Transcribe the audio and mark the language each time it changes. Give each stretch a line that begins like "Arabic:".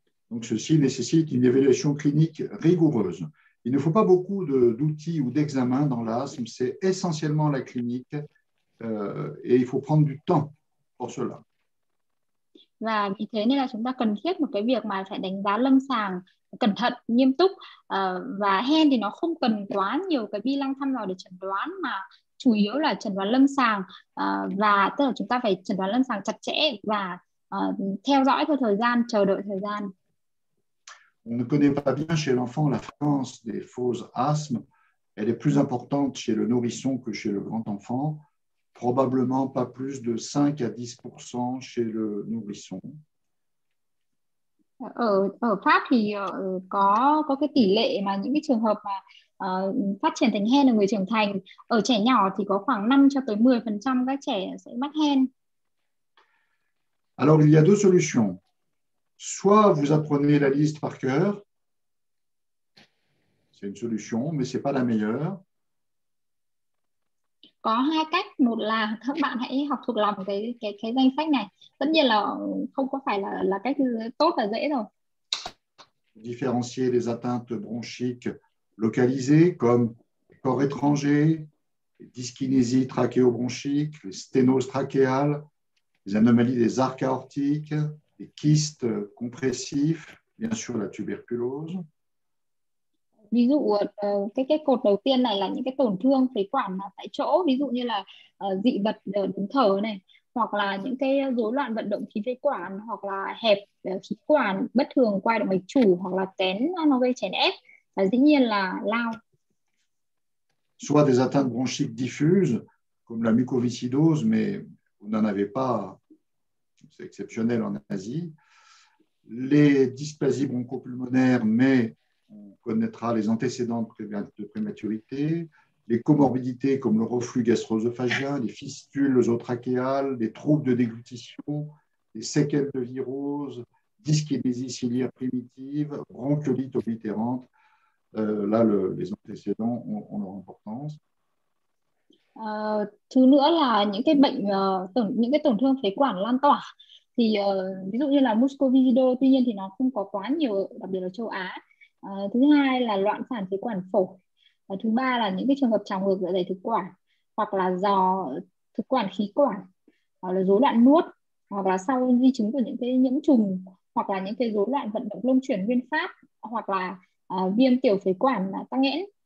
French: Donc ceci nécessite une évaluation clinique rigoureuse. Il ne faut pas beaucoup d'outils ou d'examens dans l'asthme, c'est essentiellement la clinique et il faut prendre du temps pour cela.
Vietnamese: Và vì thế nên là chúng ta cần thiết một cái việc mà phải đánh giá lâm sàng cẩn thận, nghiêm túc, và hen thì nó không cần quá nhiều cái bi lăng thăm dò để chẩn đoán mà chủ yếu là chẩn đoán lâm sàng, và tức là chúng ta phải chẩn đoán lâm sàng chặt chẽ và theo dõi theo thời gian, chờ đợi thời gian.
French: On ne connaît pas bien chez l'enfant la fréquence des fausses asthmes. elle est plus importante chez le nourrisson que chez le grand enfant, probablement pas plus de 5 à 10% chez le nourrisson.
Vietnamese: Ở Pháp thì có cái tỷ lệ mà những cái trường hợp mà phát triển thành hen ở người trưởng thành, ở trẻ nhỏ thì có khoảng 5 cho tới 10% các trẻ sẽ mắc hen.
French: Alors il y a deux solutions. Soit vous apprenez la liste par cœur, c'est une solution, mais ce n'est pas la meilleure.
Vietnamese: Có hai cách, một là các bạn hãy học thuộc lòng cái danh sách này. Tất nhiên là không có phải là cách tốt và dễ rồi.
French: Différencier les atteintes bronchiques localisées comme corps étranger, dyskinésie trachéobronchique, sténose trachéale, les anomalies des arcs aortiques, les kystes compressifs, bien sûr la tuberculose.
Vietnamese: Ví dụ cái cột đầu tiên này là những cái tổn thương phế quản tại chỗ, ví dụ như là dị vật đường thở này, hoặc là những cái rối loạn vận động khí phế quản, hoặc là hẹp khí quản bất thường qua động mạch chủ, hoặc là kén nó gây chèn ép, và dĩ nhiên là lao.
French: Soit des atteintes bronchiques diffuses comme la mucoviscidose, mais vous n'en avez pas, c'est exceptionnel en Asie. Les dysplasies bronchopulmonaires, mais on connaîtra les antécédents de prématurité, les comorbidités comme le reflux gastro-œsophagien, les fistules œsotrachéales, les troubles de déglutition, les séquelles de virose, dyskinésie ciliaire primitive, bronchiolite oblitérante. Les antécédents ont leur importance.
Vietnamese: Thứ nữa là những cái bệnh những cái tổn thương phế quản lan tỏa thì ví dụ như là muscovido, tuy nhiên thì nó không có quá nhiều đặc biệt ở châu Á. Thứ hai là loạn phản phế quản phổi, và thứ ba là những cái trường hợp trào ngược dạ dày thực quản, hoặc là giò thực quản khí quản, hoặc là rối loạn nuốt, hoặc là sau di chứng của những cái nhiễm trùng, hoặc là những cái rối loạn vận động lông chuyển nguyên phát, hoặc là viêm tiểu phế quản tắc nghẽn.